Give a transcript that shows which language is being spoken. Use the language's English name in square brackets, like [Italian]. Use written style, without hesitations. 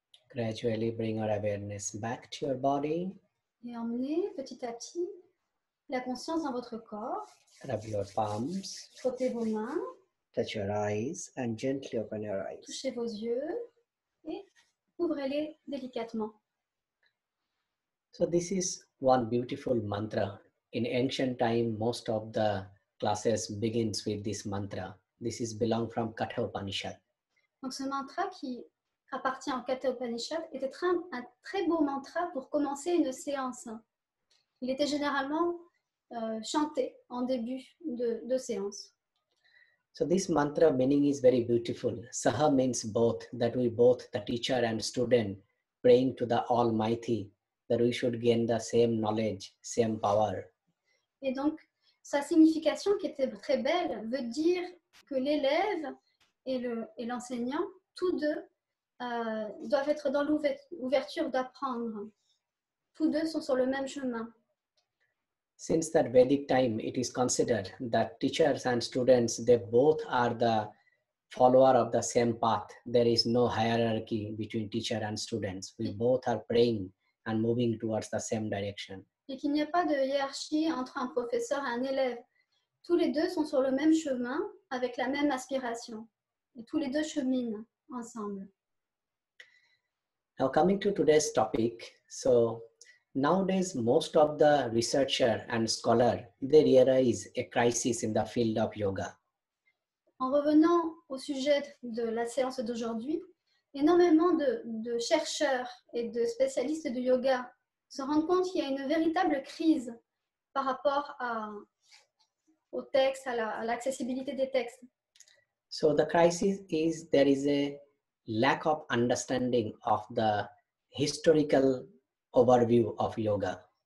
[English] Gradually bring our awareness back to your body. [French] Et emmenez petit à petit la conscience dans votre corps. [English] Rub your palms. [French] Frottez vos mains. [English] Touch your eyes and gently open your eyes. [French] Touchez vos yeux et ouvrez-les délicatement. [English] So this is one beautiful mantra. In ancient time, most of the classes begins with this mantra. This is belong from Katha Upanishad. [French] Donc ce mantra qui appartient au Katha Upanishad était un très beau mantra pour commencer une séance. Il était généralement chanté en début de séance. [English] So this mantra meaning is very beautiful. Saha means both, that we both, the teacher and student, praying to the Almighty, that we should gain the same knowledge, same power. [French] Et donc, sa signification qui était très belle veut dire que l'élève et l'enseignant, tous deux, doivent être dans l'ouverture d'apprendre. Tous deux sont sur le même chemin. [English] Since that Vedic time, it is considered that teachers and students, they both are the follower of the same path. There is no hierarchy between teacher and students. We both are praying and moving towards the same direction. [French] Et qu'il n'y a pas de hiérarchie entre un professeur et un élève. Tous les deux sont sur le même chemin, avec la même aspiration. Et tous les deux cheminent ensemble. [English] Now coming to today's topic, so nowadays most of the researchers and scholars, they realize a crisis in the field of yoga. [French] En revenant au sujet de la séance d'aujourd'hui, énormément de chercheurs et de spécialistes du yoga se rendre compte qu'il y a une véritable crise par rapport au texte, à l'accessibilité des textes. [English] So the crisis is there is a lack of understanding of the historical overview of yoga.